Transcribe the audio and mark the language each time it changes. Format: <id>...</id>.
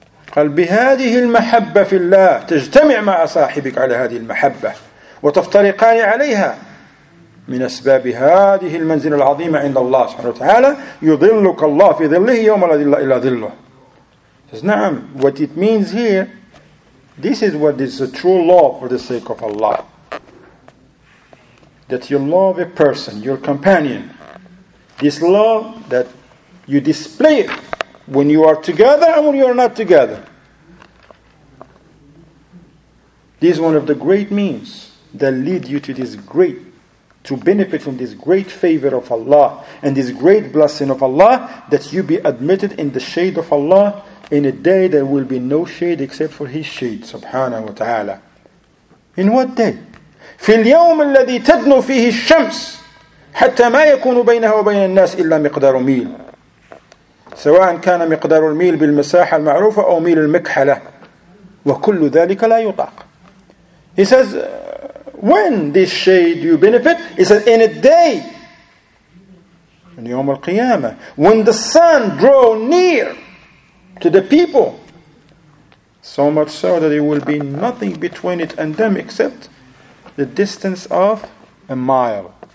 <ar>قال بهذه المحبة في الله تجتمع مع صاحبك على هذه المحبة وتفترقان عليها من أسباب هذه المنزلة العظيمة عند الله سبحانه وتعالى يظلك الله في ظله يوم لا ظل إلا ظله.</ar> <en>نعم, what it means here, this is what is a true love for the sake of Allah. That you love a person, your companion. This love that you display it when you are together and when you are not together. This is one of the great means that lead you to this great, to benefit from this great favor of Allah and this great blessing of Allah, that you be admitted in the shade of Allah in a day there will be no shade except for His shade, subhanahu wa ta'ala. In what day?</en> <ar>فِي الْيَوْمِ الَّذِي تَدْنُو فِيهِ الشَّمْسِ حَتَّى مَا يَكُونُ بَيْنَهَا وَبَيْنَ النَّاسِ إِلَّا مِقْدَارُ مِيلٍ. سواء كان مقدار الميل بالمساحة المعروفة أو ميل المكحلة وكل ذلك لا يطاق.</ar> <en>He says, when this shade you benefit? He says, in a day, in يوم القيامة, when the sun draw near to the people, so much so that it will be nothing between it and them except the distance of a mile.</en>